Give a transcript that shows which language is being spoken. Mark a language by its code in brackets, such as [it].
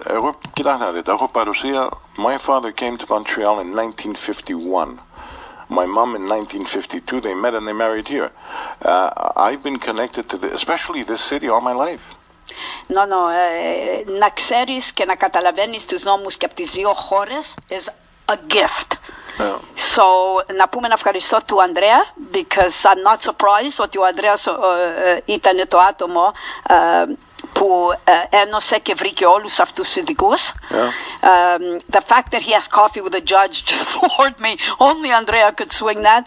[el] Εγώ, κοιτάξτε να δείτε, έχω παρουσία. [en] My father came to Montreal in 1951. My mom in 1952, they met and they married here. I've been connected to especially this city all my life. [el] No, να ξέρεις και να καταλαβαίνεις τους νόμους και από τις δύο χώρες [en] is a gift. [el] So, να πούμε να ευχαριστώ του Ανδρέα, [en] because I'm not surprised [el] ότι ο Ανδρέας ήταν το άτομο που ένωσε και βρήκε όλους αυτούς τους ειδικούς. [en] The fact that he has coffee with the judge just floored me. Only Andrea could swing that.